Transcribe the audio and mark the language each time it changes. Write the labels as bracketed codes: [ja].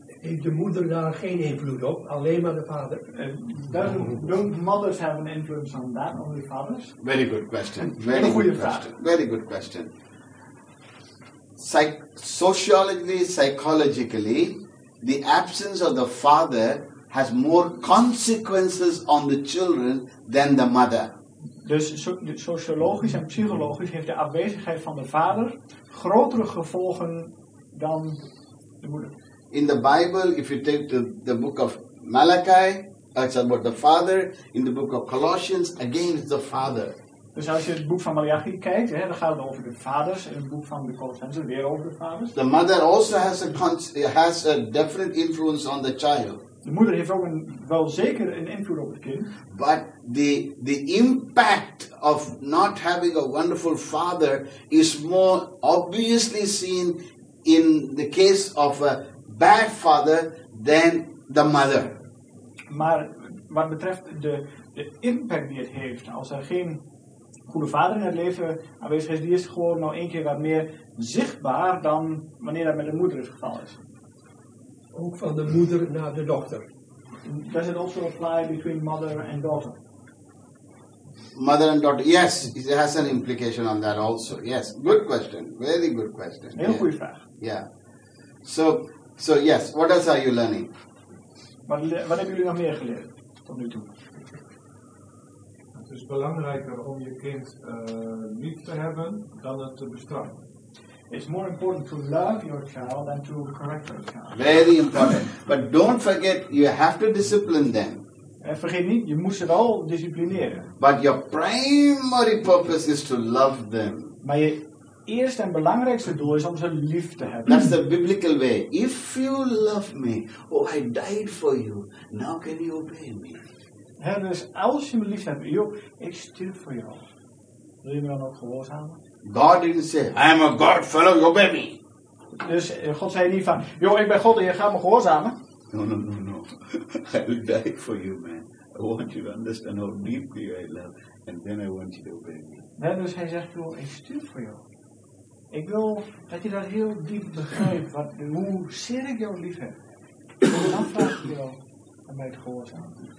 [nl] Heeft de moeder daar geen invloed op? Alleen maar de vader? [en] Don't mothers have an influence on that? Only fathers? Very good question. Very good question. Very good question. Sociologically, psychologically, the absence of the father has more consequences on the children than the mother. [nl] Dus sociologisch en psychologisch heeft de afwezigheid van de vader grotere gevolgen dan de moeder. [en] In the Bible, if you take the book of Malachi, it's about the father. In the book of Colossians, again it's the father. [nl] Dus als je het boek van Malachi kijkt, hè, dan gaat het over de vaders. En het boek van de Colossense weer over de vaders. [en] The mother also has a definite influence on the child. [nl] De moeder heeft ook wel zeker een invloed op het kind. [en] But the impact of not having a wonderful father is more obviously seen in the case of a bad father than the mother. [nl] Maar wat betreft de impact die het heeft, als er geen goede vader in het leven aanwezig is, die is gewoon nou een keer wat meer zichtbaar dan wanneer dat met de moeder het geval is. Ook van de moeder naar de dochter. [en] Does it also apply between mother and daughter? Mother and daughter, yes, it has an implication on that also. Yes, good question, very good question. [nl] Heel goede vraag. [en] Yeah. So yes, what else are you learning? [nl] Wat hebben jullie nog meer geleerd tot nu toe? Het is belangrijker om je kind lief te hebben dan het te bestraffen. [en] It's more important to love your child than to correct your child. Very important. But don't forget, you have to discipline them. [nl] Vergeet niet, je moet ze wel disciplineren. [en] But your primary purpose is to love them. [nl] Maar je eerste en belangrijkste doel is om ze lief te hebben. [en] That's the biblical way. If you love me, oh, I died for you. Now can you obey me? [nl] He, dus als je me lief hebt, joh, ik stuur voor jou. Wil je me dan ook gehoorzamen? [en] God didn't say, I am a God fellow, you obey me. [nl] Dus God zei niet van, joh, ik ben God en je gaat me gehoorzamen. [en] No. I will die for you, man. I want you to understand how deeply I love. And then I want you to obey me. [nl] He, dus hij zegt, joh, ik stuur voor jou. Ik wil dat je dat heel diep begrijpt. Wat, hoe zeer ik jou lief heb. En dan vraag ik jou om mij te gehoorzamen.